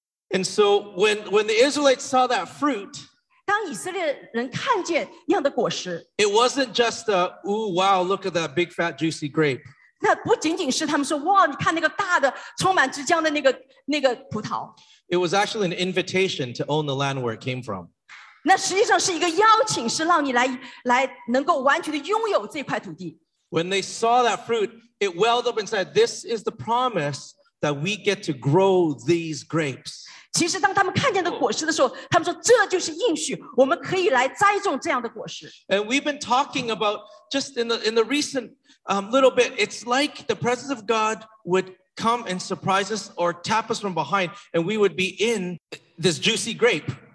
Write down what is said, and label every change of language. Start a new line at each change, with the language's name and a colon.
English: And so when the Israelites saw that fruit,
Chinese: 当以色列人看见那样的果实,
English: it wasn't just a, ooh, wow, look at that big fat juicy grape.
Chinese: 那不仅仅是他们说，哇，你看那个大的充满汁浆的那个葡萄。
English: It was actually an invitation to own the land where it came from.
Chinese: 那实际上是一个邀请，是让你来能够完全的拥有这块土地。
English: When they saw that fruit, it welled up and said, this is the promise that we get to grow these grapes.
Chinese: 其实当他们看见的果实的时候，他们说这就是应许，我们可以来栽种这样的果实。
English: And we've been talking about just in the recent little bit, it's like the presence of God would come and surprise us or tap us from behind, and we would be in this juicy grape.